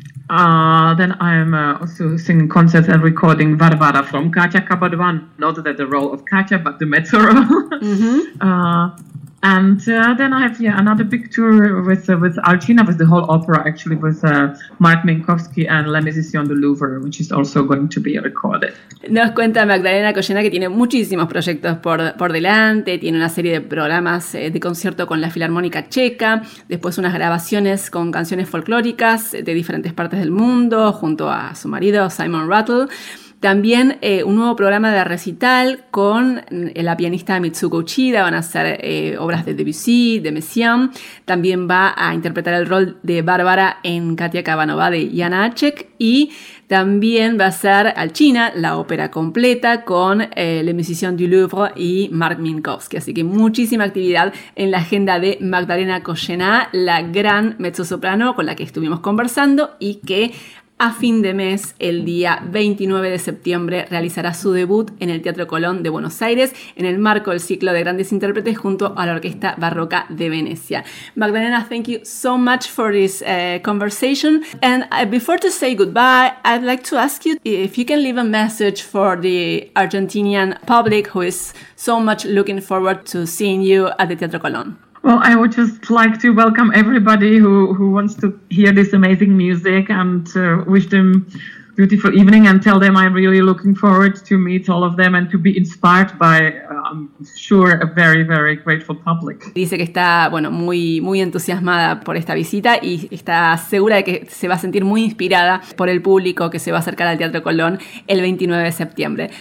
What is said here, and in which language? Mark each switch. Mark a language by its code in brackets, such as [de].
[en] Then I am also singing concerts and recording Varvara from Katya Kabanová, not that the role of Katya, but the mezzo role. Then I have another big tour with Alcina, with the whole opera, actually, with Mark Minkowski and La Musician du Louvre, which is also going to be recorded. [es] Nos cuenta Magdalena Collená que tiene muchísimos proyectos por delante, tiene una serie de programas de concierto con la Filarmónica Checa, después unas grabaciones con canciones folclóricas de diferentes partes del mundo, junto a su marido Simon Rattle. También un nuevo programa de recital con la pianista Mitsuko Uchida. Van a hacer obras de Debussy, de Messiaen. También va a interpretar el rol de Bárbara en Katya Kabanová de Janáček. Y también va a hacer Alcina, la ópera completa, con Le Musicien du Louvre y Mark Minkowski. Así que muchísima actividad en la agenda de Magdalena Collená, la gran mezzosoprano con la que estuvimos conversando y que a fin de mes, el día 29 de septiembre, realizará su debut en el Teatro Colón de Buenos Aires, en el marco del ciclo de grandes intérpretes junto a la Orquesta Barroca de Venecia. [en] Magdalena, thank you so much for this conversation. And before to say goodbye, I'd like to ask you if you can leave a message for the Argentinian public who is so much looking forward to seeing you at the Teatro Colón. Well, I would just like to welcome everybody who wants to hear this amazing music, and wish them beautiful evening and tell them I'm really looking forward to meet all of them and to be inspired by, I'm sure, a very, very grateful public. [es] Dice que está, bueno, muy, muy entusiasmada por esta visita y está segura de que se va a sentir muy inspirada por el público que se va a acercar al Teatro Colón el 29 de septiembre.